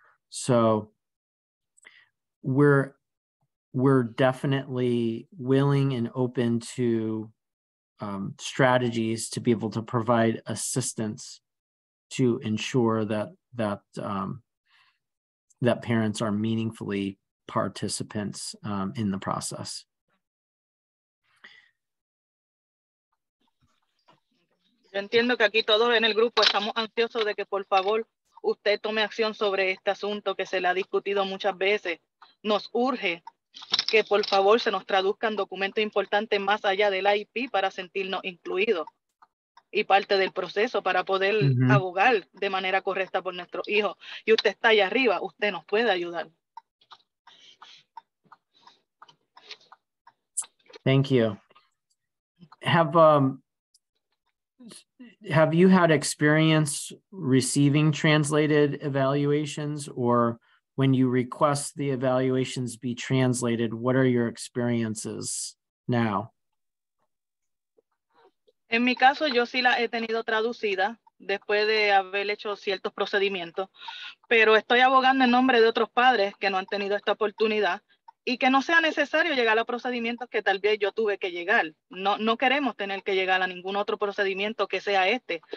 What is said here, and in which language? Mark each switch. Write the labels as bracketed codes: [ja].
[en] So we're definitely willing and open to strategies to be able to provide assistance to ensure that parents are meaningfully participants in the process. [es] Entiendo que aquí todos en el grupo estamos ansiosos de que por favor usted tome acción sobre este asunto que se le ha discutido muchas veces. Nos urge que por favor se nos traduzcan documentos importantes más allá del IP para sentirnos incluidos y parte del proceso para poder abogar de manera correcta por nuestros hijos. Y usted está allá arriba, usted nos puede ayudar. [en] Thank you. Have you had experience receiving translated evaluations, or when you request the evaluations be translated, what are your experiences now? [es] En mi caso, yo sí la he tenido traducida después de haber hecho ciertos procedimientos, pero estoy abogando en nombre de otros padres que no han tenido esta oportunidad y que no sea necesario llegar a procedimientos que tal vez yo tuve que llegar. No queremos tener que llegar a ningún otro procedimiento que sea este.